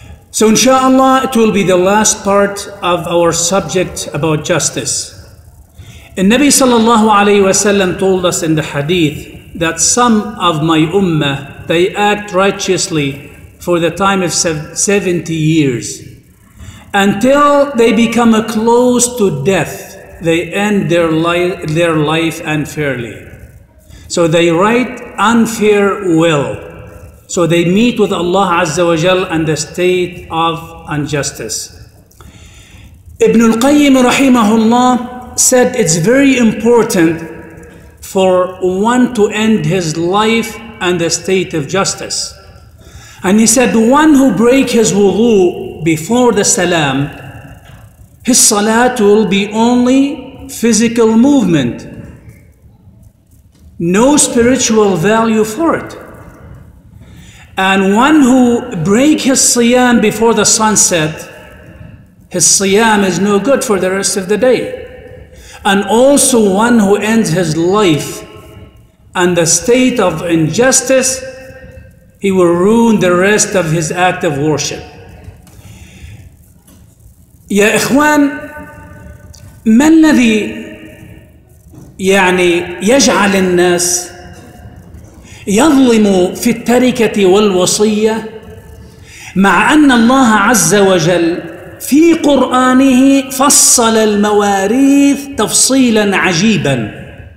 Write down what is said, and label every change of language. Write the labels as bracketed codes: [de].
[en] So inshallah it will be the last part of our subject about justice [ar] النبي صلى الله عليه وسلم [en] told us in the hadith that some of my ummah they act righteously for the time of 70 years Until they become close to death, they end their life unfairly. So they write unfair will. So they meet with Allah Azza wa Jal and the state of injustice. Ibn al-Qayyim rahimahullah said it's very important for one to end his life and the state of justice. And he said, one who break his wudu before the salam, his salat will be only physical movement. No spiritual value for it. And one who break his siyam before the sunset, his siyam is no good for the rest of the day. And also one who ends his life and the state of injustice, he will ruin the rest of his act of worship. [ar] يا إخوان ما الذي يعني يجعل الناس يظلم في التركة والوصية مع أن الله عز وجل في قرآنه فصل المواريث تفصيلا عجيبا